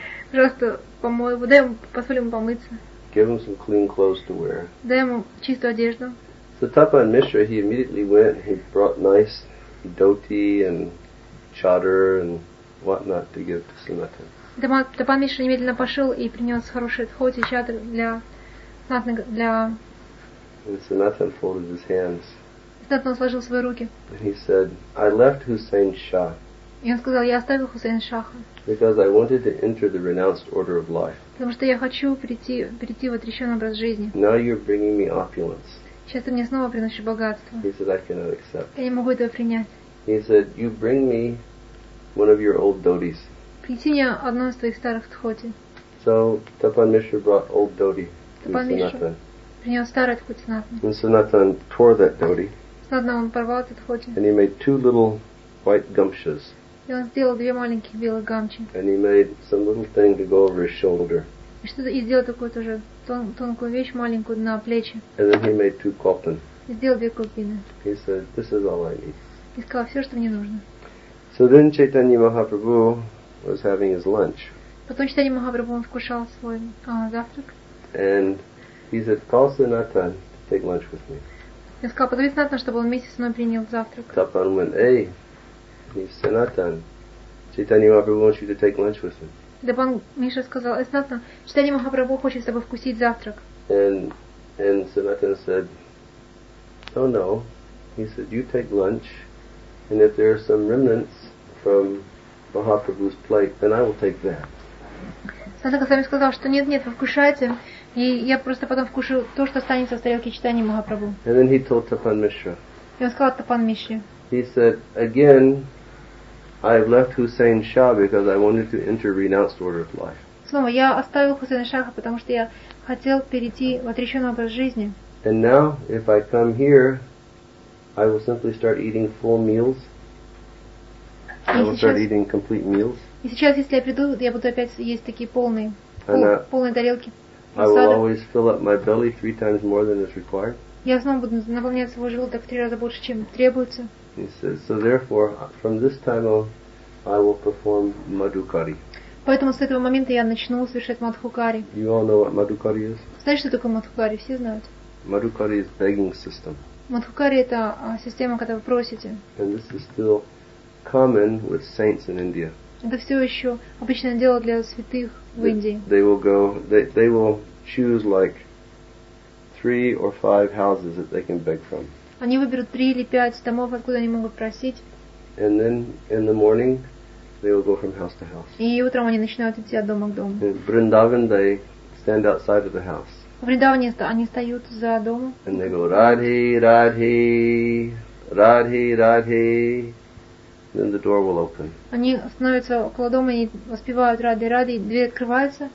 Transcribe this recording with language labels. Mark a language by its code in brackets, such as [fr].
[ru] Пожалуйста, помой его, позволь ему помыться. [en] Give him some clean clothes to wear. [ru] Дай ему чистую одежду. [en] So Tapan Mishra, he immediately went, he brought nice dhoti and chadar and whatnot to give to Sanatan. [ru] Тапан Мишра немедленно пошил и принес хороший дхоти, чадар для... [en] And Sanatan folded his hands. [ru] Сенатан сложил свои руки. [en] And he said, "I left Hussein Shah." [ru] И он сказал, я оставил Хусейн Шаха. [en] Because I wanted to enter the renounced order of life. [ru] Потому что я хочу перейти в отрешенный образ жизни. [en] Now you're bringing me opulence. [ru] Сейчас ты мне снова приносишь богатство. [en] He said, "I cannot accept." [ru] Я не могу этого принять. [en] He said, "You bring me one of your old dhotis." [ru] Принеси мне одно из твоих старых дхоти. [en] So Tapan Mishra brought old dhoti. [ru] Тапан Мишра принес старый дхоти Санатан. [en] And Sanatan tore that dhoti. [ru] Санатан он порвал этот дхоти. [en] And he made two little white gumshas. [ru] И он сделал две маленькие белые гамчи. [en] And he made some little thing to go over his shoulder. [ru] И что-то и сделал такую тоже тонкую вещь маленькую на плечи. [en] And then he made two kulpin. [ru] И сделал две кульпины. [en] He said, "This is all I need." [ru] И сказал все, что мне нужно. [en] So then Chaitanya Mahaprabhu was having his lunch. [ru] Потом Чайтанья Махапрабху вкушал свой завтрак. [en] And he said, "Call Sanatan to take lunch with me." [ru] И сказал, позови Санатана, чтобы он вместе со мной принял завтрак. [en] Tapan went, "Hey." He's Sanatan. Chaitanya Mahaprabhu wants you to take lunch with him. [ru] Тапан Мишра сказал, Санатан, Чайтанья Махапрабху хочет с тобой вкусить завтрак. [en] And Sanatan said, "Oh no." He said, "You take lunch, and if there are some remnants from Mahaprabhu's plate, then I will take that." [ru] Санатан сам сказал, что нет, вы вкушайте, и я просто потом вкушу то, что останется в тарелке Чайтанья Махапрабху. [en] And then he told Tapan Mishra. [ru] И он сказал это пан Мишле. [en] He said, again, I have left Hussein Shah because I wanted to enter renounced order of life. [ru] Снова я оставил Хусейна Шаха, потому что я хотел перейти в отреченный образ жизни. [en] And now, if I come here, I will simply start eating full meals. Start eating complete meals. [ru] И сейчас, если я приду, я буду опять есть такие полные, полные тарелки. [en] I will always fill up my belly three times more than is required. [ru] Я снова буду наполнять свой желудок в три раза больше, чем требуется. [en] He says, so therefore, from this time on, I will perform madhukari. [ru] Поэтому с этого момента я начну совершать мадхукари. [en] You all know what madhukari is? [ru] Знаешь, что такое мадхукари? Все знают. [en] Madhukari is begging system. [ru] Мадхукари это система, когда вы просите. [en] And this is still common with saints in India. [ru] Это все еще обычное дело для святых в Индии. [en] They will go, they will choose like three or five houses that they can beg from. [ru] Они выберут три или пять домов, откуда они могут просить. [en] And then in the morning, they will go from house to house. [ru] И утром они начинают идти от дома к дому. [en] In Vrindavan, they stand outside of the house. [ru] В Вриндаване они стоят за домом. [en] And they go, Radhi, Radhi, Radhi, Radhi. Then the door will open. [ru] Они становятся около дома, они воспевают Радхи, Радхи, дверь открывается.